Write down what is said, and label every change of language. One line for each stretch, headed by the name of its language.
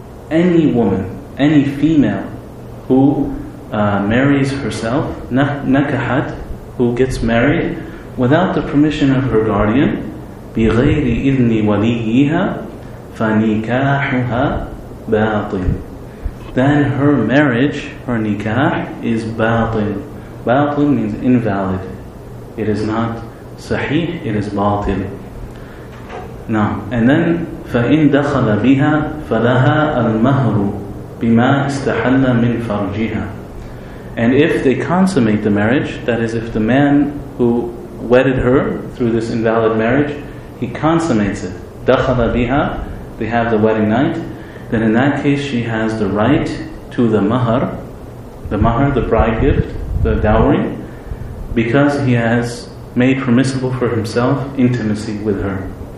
English: Any woman, any female who marries herself, nakahat, who gets married without the permission of her guardian,
Arabic: بِغَيْرِ إِذْنِ وَلِيِّهَا فَنِكَاحُهَا بَاطِلٌ,
English: then her marriage, her nikah, is batil. Batil means invalid. It is not sahih, it is batil. Now, and then
Arabic: فَإِنْ دَخَلَ بِهَا فَلَهَا الْمَهْرُ بِمَا اسْتَحَلَّ مِنْ فَرْجِهَا.
English: And if they consummate the marriage, that is, if the man who wedded her through this invalid marriage, he consummates it,
Arabic: دَخَلَ بِهَا,
English: they have the wedding night, then in that case she has the right to the mahar, the bride gift, the dowry, because he has made permissible for himself intimacy with her.